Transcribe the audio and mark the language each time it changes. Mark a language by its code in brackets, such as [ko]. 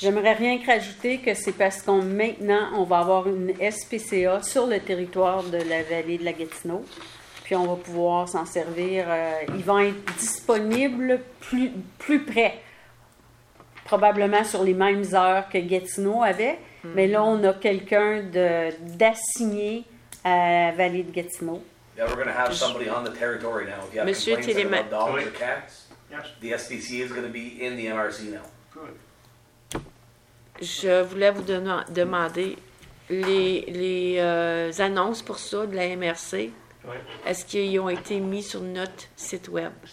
[fr] J'aimerais rien que rajouter que c'est parce qu'on maintenant on va avoir une SPCA sur le territoire de la vallée de la Gatineau, puis on va pouvoir s'en servir. Ils vont être disponibles plus près, probablement sur les mêmes heures que Gatineau avait, mm-hmm. Mais là on a quelqu'un d'assigné à la vallée de Gatineau. [en] Yeah, we're going to have somebody on the territory now. [fr] Monsieur Tillemet. [en] The SPC is going to be in the MRC now. Good. [fr] Je voulais vous demander les annonces pour ça de la MRC. Oui. Est-ce qu'ils ont été mis sur notre site web?